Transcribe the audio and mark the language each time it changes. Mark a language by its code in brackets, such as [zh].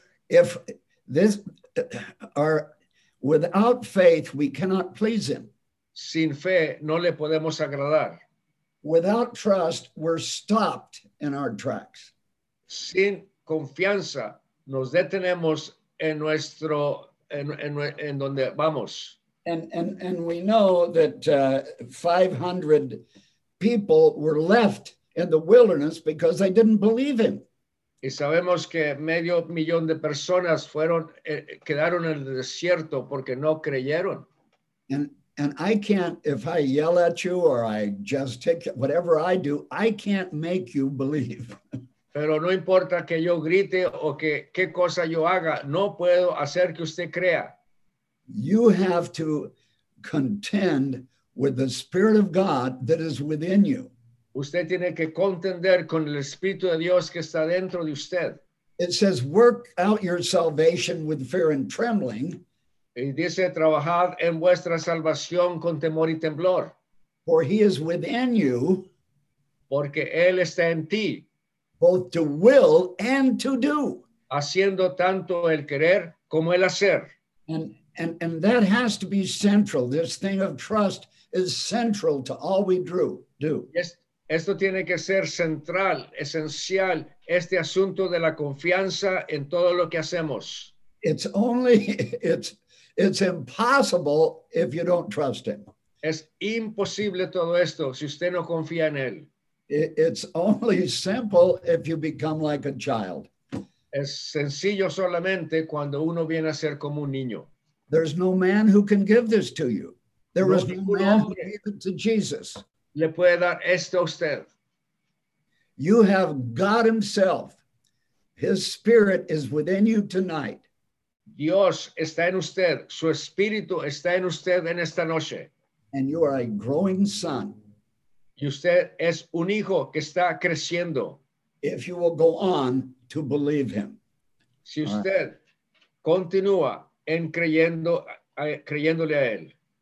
[en] If this are without faith, we cannot please him. [es] Sin fe, no le podemos agradar. [en] Without trust, we're stopped in our tracks. [es] Sin confianza, nos detenemos en nuestro, en donde vamos. [en] And we know that 500 people were left in the wilderness because they didn't believe him. [es] Y sabemos que medio millón de personas quedaron en el desierto porque no creyeron. [en] And I can't, if I yell at you or I just take whatever I do, I can't make you believe. [es] Pero no importa que yo grite o que qué cosa yo haga, no puedo hacer que usted crea. [en] You have to contend with the Spirit of God that is within you. [es] Usted tiene que contender con el Espíritu de Dios que está dentro de usted. [en] It says, work out your salvation with fear and trembling. [es] Y dice, trabajad en vuestra salvación con temor y temblor. [en] For he is within you. [es] Porque él está en ti. [en] Both to will and to do. [es] Haciendo tanto el querer como el hacer. [en] And that has to be central. This thing of trust is central to all we do. Yes. [es] Esto tiene que ser central, esencial, este asunto de la confianza en todo lo que hacemos. [en] It's impossible if you don't trust him. [es] Es imposible todo esto si usted no confía en él. [en] It's only simple if you become like a child. [es] Es sencillo solamente cuando uno viene a ser como un niño. [en] There's no man who can give this to you. There was no man who gave it to Jesus. [es] Le puede dar esto a usted. [en] You have God himself. His spirit is within you tonight. [es] Dios está en usted. Su espíritu está en usted en esta noche. [en] And you are a growing son. [es] Y usted es un hijo que está creciendo. [en] If you will go on to believe him. [es] Si usted continúa en creyéndole a él.